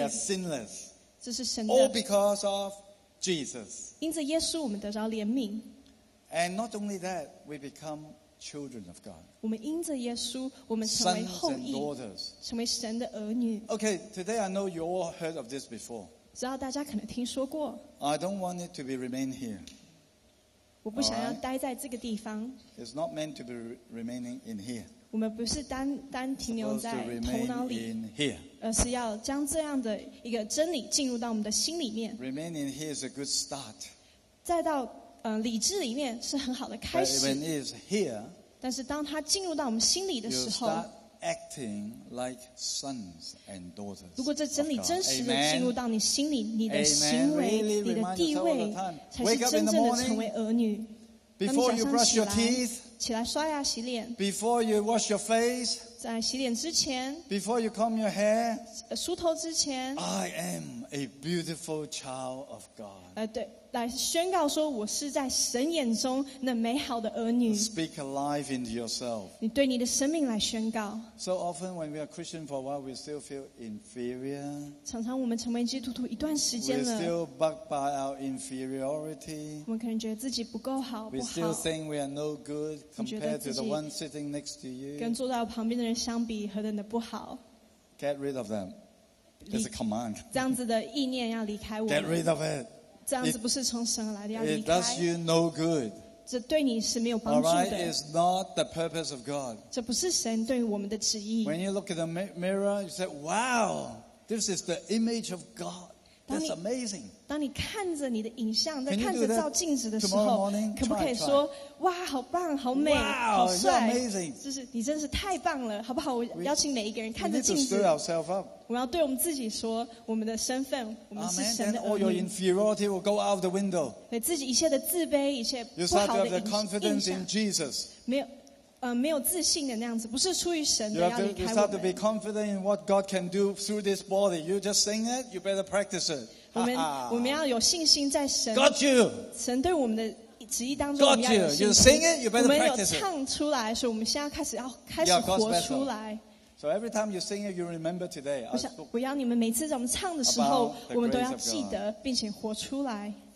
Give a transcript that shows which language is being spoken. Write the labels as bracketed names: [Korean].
[English] We are sinless [Chinese] 这是神的 [English] All because of Jesus [Chinese] 因着耶稣我们得着怜悯 [English] And not only that we become children of God. [Chinese] 我们因着耶稣，我们成为后裔， [English] sons and daughters. [Chinese] 成为神的儿女。 [English] Okay, today I know you all heard of this before. [Chinese] 知道大家可能听说过。 [English] I don't want it to be remain here. [Chinese] 我不想要待在这个地方。 [English] Right? It's not meant to be remaining in here. [Chinese] 我们不是单停留在头脑里， [English] in here. [Chinese] 而是要将这样的一个真理进入到我们的心里面。 [English] Remain in here is a good start. [Chinese] 再到理智里面是很好的开始。 [English] But when it is here, [Chinese] 但是当它进入到我们心里的时候， [English] you start acting like sons and daughters of God. [Chinese] 如果这真理真实的进入到你心里， [English] Amen. [Chinese] 你的行为、 [English] really、 [Chinese] 你的地位才是真正的成为儿女。 [English] Before you brush your teeth, [Chinese] 起来刷牙洗脸。 [English] Before you wash your face, [Chinese] 在洗脸之前。 [English] Before you comb your hair, [Chinese] 梳头之前。 [English] I am a beautiful child of God. [Chinese] 对，来宣告说我是在神眼中那美好的儿女。 [English] Speak alive into yourself. [Chinese] 你对你的生命来宣告。 [English] So often when we are Christian for a while, we still feel inferior. [Chinese] 常常我们成为基督徒一段时间了。 [English] We still bug by our inferiority. [Chinese] 我们可能觉得自己不够好。 [English] We still think we are no good compared to the one sitting next to you. [Chinese] 跟坐在我旁边的人相比，何等的不好。 [English] Get rid of them. It's a command. [Chinese] 这样子的意念要离开我。 [English] Get rid of it. [Chinese] 这样子不是从神而来的，要离开。 [English] It does you no good. [Chinese] 这对你是没有帮助的。 [English] All right, it's not the purpose of God. [Chinese] 这不是神对我们的旨意。 [English] When you look at the mirror, you say, "Wow, this is the image of God. That's amazing." [Chinese] 当你看着你的影像，在看着照镜子的时候， [English] morning, [Chinese] 可不可以说， [English] try. [Chinese] 哇，好棒，好美， [English] wow, [Chinese] 好帅， [English] amazing. [Chinese] 就是你真是太棒了，好不好？我邀请每一个人看着镜子。 [English] We need to stir ourselves up. [Chinese] 我们要对我们自己说，我们的身份，我们是神的儿女。 [English] Amen. All your inferiority will go out the window. [Chinese] 对自己一切的自卑，一切不好的印象。 [English] Confidence in Jesus. [Chinese] 没有自信的那样子，不是出于神的要离开我们。 [English] You start to be confident in what God can do through this body. You just sing it. You better practice it. [Chinese] 我们要有信心在神。 [English] Got you. [Chinese] 神对我们的旨意当中，我们要有信心。 [English] Got you. You sing it. You better practice it. [Chinese] 我们有唱出来，所以我们现在开始活出来。 [English] So every time you sing it, you remember today. [Chinese] 我要你们每次在我们唱的时候，我们都要记得，并且活出来。